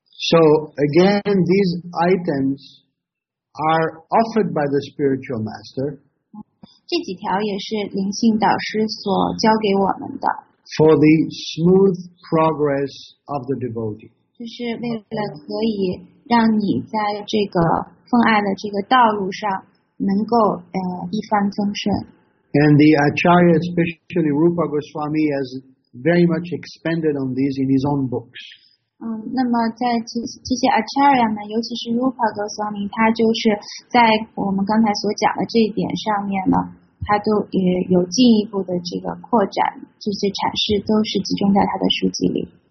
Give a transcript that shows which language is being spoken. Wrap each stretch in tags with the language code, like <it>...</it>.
<en>So again, these items are offered by the spiritual master.</en> <zh>这几条也是灵性导师所教给我们的。</zh> <en>For the smooth progress of the devotee.</en> <zh>就是为了可以让你在这个奉爱的这个道路上能够一帆风顺。</zh> <en>And the Acharya, especially Rupa Goswami, has very much expanded on these in his own books.</en> <zh>那么在这些 Acharya 呢，尤其是 Rupa Goswami， 他就是在我们刚才所讲的这一点上面呢，他都也有进一步的这个扩展，这些阐释都是集中在他的书籍里。</zh>